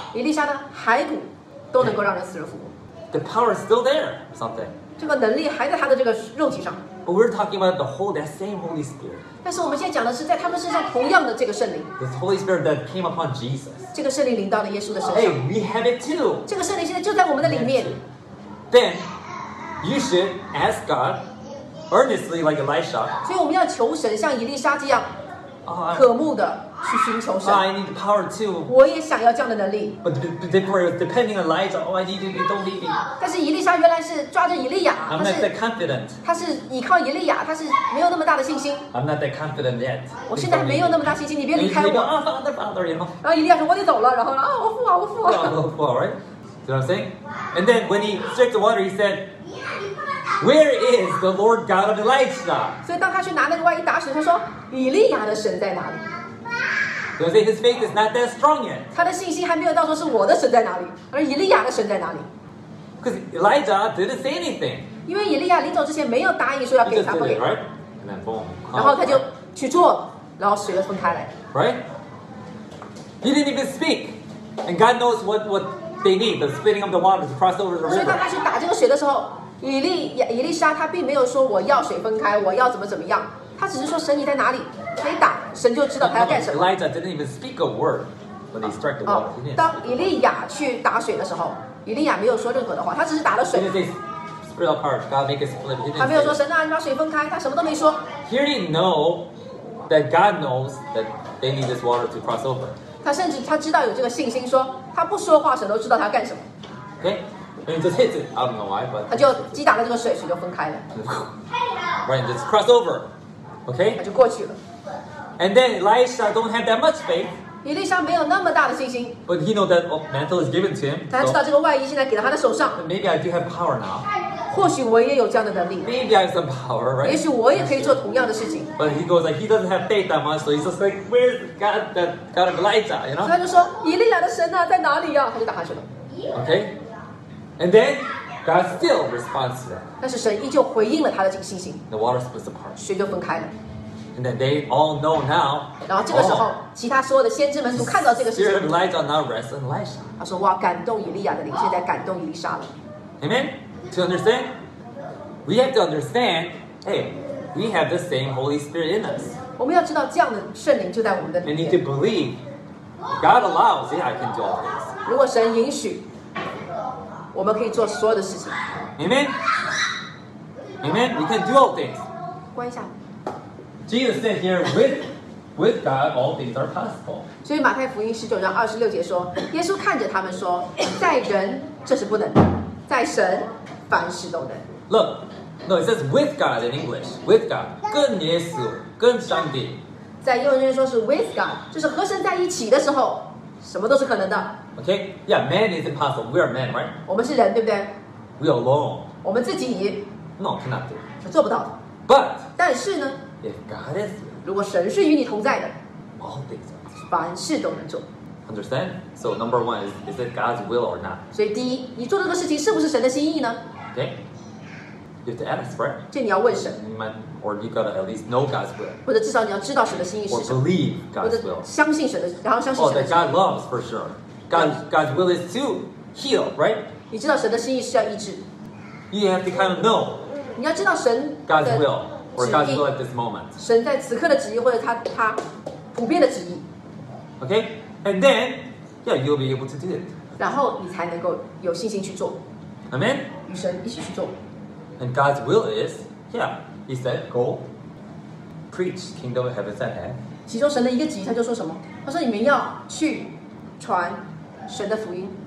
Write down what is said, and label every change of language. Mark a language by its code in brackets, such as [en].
[zh] 以利沙的骸骨都能够让人死人复活。 [en] The power is still there, something. [zh] 这个能力还在他的这个肉体上。 [en] But we're talking about the whole that same Holy Spirit. [zh] 但是我们现在讲的是在他们身上同样的这个圣灵。 [en] The Holy Spirit that came upon Jesus. [zh] 这个圣灵临到了耶稣的身上。 [en] Hey, we have it too. [zh] 这个圣灵现在就在我们的里面。 [en] Then you should ask God earnestly, like Elisha. [zh] 所以我们要求神，像以利沙这样渴慕的去寻求神。 [en] I need power too. [zh] 我也想要这样的能力。 [en] But depending on Elijah, oh, I need you. Don't leave me. [zh] 但是以利沙原来是抓着以利亚。 [en] I'm not that confident. [zh] 他是依靠以利亚，他是没有那么大的信心。 [en] I'm not that confident yet. [zh] 我现在没有那么大信心，你别离开我。 [en] Father, you know. [zh] 然后以利亚说我得走了，然后啊，我父啊，我父啊。 [en] Yeah, I'm full, right? You know what I'm saying? And then when he stripped the water, he said. Where is the Lord God of Elijah? [zh] 所以当他去拿那个外衣打水，他说：“以利亚的神在哪里？” [en] So he says his faith is not that strong yet. [zh] 他的信心还没有到说是我的神在哪里，而以利亚的神在哪里。 [en] Because Elijah didn't say anything. [zh] 因为以利亚临走之前没有答应说要给他不给。 [en] Right? And then boom. [zh] 然后他就去做，然后水就分开来。 [en] Right? He didn't even speak, and God knows what they need. The splitting of the waters, cross over the river. [zh] 所以当他去打这个水的时候。以利沙他并没有说我要水分开我要怎么怎么样他只是说神你在哪里可以打神就知道他要干什么 [en] Elijah didn't even speak a word when they struck the water [zh] 当以利亚去打水的时候以利亚没有说任何的话他只是打了水 [en] spread apart, God make it split. [zh] 他没有说神啊你把水分开他什么都没说 [en] Here he know that God knows that they need this water to cross over [zh] 他甚至他知道有这个信心说他不说话神都知道他要干什么 [en] OK And just hits it. I don't know why, but [zh] 他就击打了这个水，水就分开了。 [en] Right, just cross over. Okay. [zh] 他就过去了。 [en] And then Elisha don't have that much faith. [zh] 以利沙没有那么大的信心。 [en] But he know that mantle is given to him. [zh] 他知道这个外衣现在给到他的手上。 [en] But maybe I do have power now. [zh] 或许我也有这样的能力。 [en] Maybe I have some power, right? [zh] 也许我也可以做同样的事情。 [en] But he goes like he doesn't have faith that much, so he's just like, where's God? That God of Elisha, you know? [zh] 所以他就说以利亚的神啊，在哪里呀、啊？他就打下去了。 [en] Okay. And then God still responds to that. [zh] 但是神依旧回应了他的这个信心。 [en] The water splits apart. [zh] 水就分开了。 [en] And then they all know now. [zh] 然后这个时候，其他所有的先知们都看到这个事情。 [en] Spirit of Elijah now rests on Elisha. [zh] 他说：“哇，感动以利亚的灵，现在感动以利沙了。” [en] Amen. To understand, we have to understand. Hey, we have the same Holy Spirit in us. [zh] 我们要知道这样的圣灵就在我们的里面。 [en] And need to believe. God allows. Yeah, I can do all this. [zh] 如果神允许。我们可以做所有的事情。 [en] Amen. Amen. We can do all things. [zh] 关一下。 [en] Jesus said here, with God, all things are possible. [zh] 所以马太福音十九章二十六节说，耶稣看着他们说，在人这是不能的，在神凡事都能。 [en] Look, no, it says with God in English. With God, [zh] 跟耶稣，跟上帝。在英文中说是 [en] with God， [zh] 就是和神在一起的时候。什么都是可能的。 [en] Okay, yeah, man is impossible. We are man, right? [zh] 我们是人，对不对 [en] ？We are alone. [zh] 我们自己。 [en] No, cannot do. [zh] 是做不到的。 [en] But [zh] 但是呢 [en] ？If God is, [zh] 如果神是与你同在的 [en] ，all things are possible. [zh] 凡事都能做。 [en] Understand? So number one is it God's will or not? [zh] 所以第一，你做这个事情是不是神的心意呢 [en] ？Okay. You have to ask, right? [zh] 这你要问神 [en] or you gotta at least know God's will. [zh] 或者至少你要知道神的心意是什么 [en] or believe God's will. [zh] 相信神的，然后相信神的。 [en] Oh, that God loves for sure. God's will is to heal, right? [zh] 你知道神的心意是要医治。 [en] You have to kind of know. [zh] 你要知道神 [en] God's will or God's will at this moment. [zh] 神在此刻的旨意或者他普遍的旨意。 [en] Okay, and then yeah, you'll be able to do it. [zh] 然后你才能够有信心去做。 [en] Amen. [zh] 与神一起去做。 [en] And God's will is, yeah, He said, go, preach kingdom of heaven at hand. [zh] 其中神的一个旨意，他就说什么？他说你们要去传神的福音。